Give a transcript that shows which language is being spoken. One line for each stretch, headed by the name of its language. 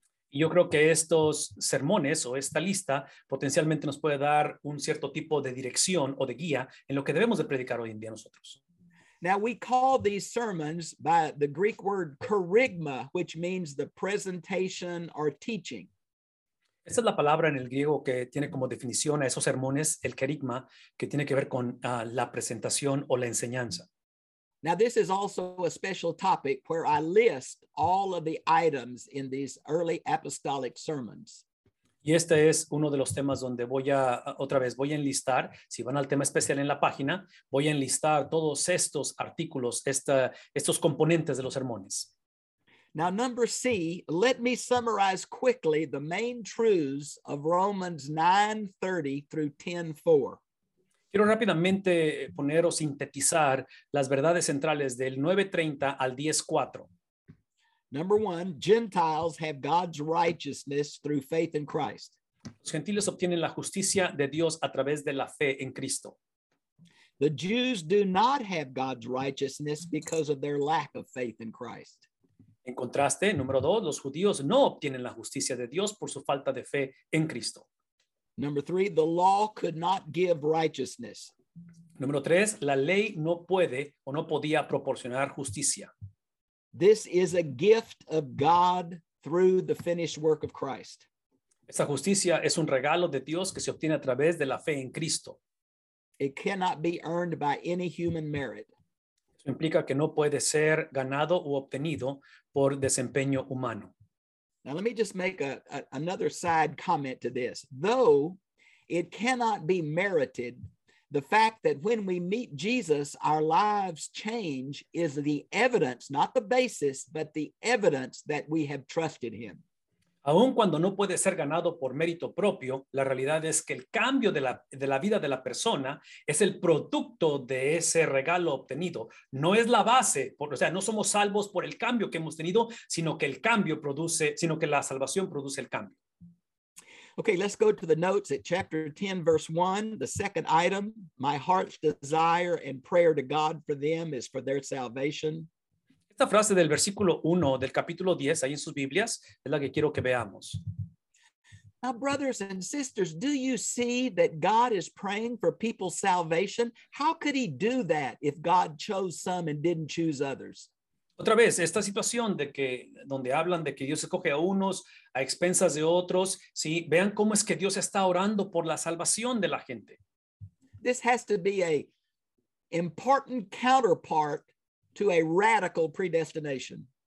Spanish: Yo creo que estos sermones o esta lista potencialmente nos puede dar un cierto tipo de dirección o de guía en lo que debemos de predicar hoy en día nosotros.
English: Now we call these sermons by the Greek word kerygma, which means the presentation or teaching.
Spanish: Esa es la palabra en el griego que tiene como definición a esos sermones, el kerygma, que tiene que ver con la presentación o la enseñanza.
English: Now, this is also a special topic where I list all of the items in these early apostolic sermons.
Spanish: Y este es uno de los temas donde voy a, otra vez, voy a enlistar, si van al tema especial en la página, voy a enlistar todos estos artículos, estos componentes de los sermones.
English: Now, number C, let me summarize quickly the main truths of Romans 9:30 through 10:4.
Spanish: Quiero rápidamente poner o sintetizar las verdades centrales del 9:30 al 10:4.
English: Number one, Gentiles have God's righteousness through faith in Christ.
Spanish: Los gentiles obtienen la justicia de Dios a través de la fe en Cristo.
English: The Jews do not have God's righteousness because of their lack of faith in Christ.
Spanish: En contraste, número dos, los judíos no obtienen la justicia de Dios por su falta de fe en Cristo.
English: Number three, the law could not give righteousness.
Spanish: Número tres, la ley no puede o no podía proporcionar justicia.
English: This is a gift of God through the finished work of Christ.
Spanish: Esta justicia es un regalo de Dios que se obtiene a través de la fe en Cristo.
English: It cannot be earned by any human merit.
Spanish: Eso implica que no puede ser ganado o obtenido por desempeño humano.
English: Now let me just make another side comment to this. Though it cannot be merited, the fact that when we meet Jesus, our lives change is the evidence, not the basis, but the evidence that we have trusted him.
Spanish: Aun cuando no puede ser ganado por mérito propio, la realidad es que el cambio de la vida de la persona es el producto de ese regalo obtenido. No es la base, no somos salvos por el cambio que hemos tenido, sino que la salvación produce el cambio.
English: Okay, let's go to the notes at chapter 10, verse 1, the second item. My heart's desire and prayer to God for them is for their salvation.
Spanish: Esta frase del versículo 1 del capítulo 10, ahí en sus Biblias, es la que quiero que veamos.
English: Now, brothers and sisters, do you see that God is praying for people's salvation? How could he do that if God chose some and didn't choose others?
Spanish: Otra vez, esta situación donde hablan de que Dios escoge a unos a expensas de otros, ¿sí? Vean cómo es que Dios está orando por la salvación de la gente.
English: This has to be a important counterpart to a radical predestination.